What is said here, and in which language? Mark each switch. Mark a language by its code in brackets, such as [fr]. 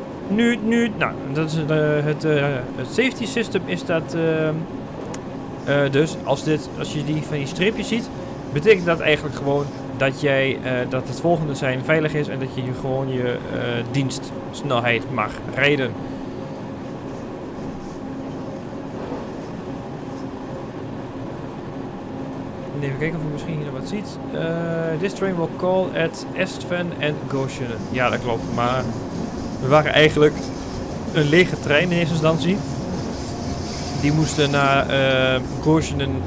[nl] Nu, nou, dat is het safety system is dat dus als je die van die streepjes ziet, betekent dat eigenlijk gewoon dat jij dat het volgende zijn veilig is en dat je gewoon je dienstsnelheid mag rijden. Even kijken of je misschien hier wat ziet. [en] This train will call at Ersveld and Groschen. [nl] Ja, dat klopt, maar. We waren eigenlijk een lege trein in eerste instantie. Die moesten naar Groschen